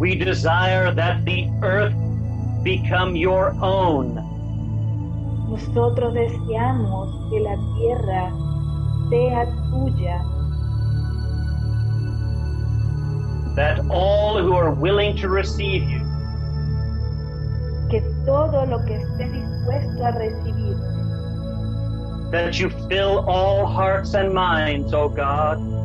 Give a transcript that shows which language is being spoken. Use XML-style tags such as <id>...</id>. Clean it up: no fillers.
<en>We desire that the earth become your own.</en> <es>Nosotros deseamos que la tierra sea tuya.</es> <en>That all who are willing to receive you,</en> <es>que todo lo que esté dispuesto a recibir,</es> <en>that you fill all hearts and minds, O God,</en>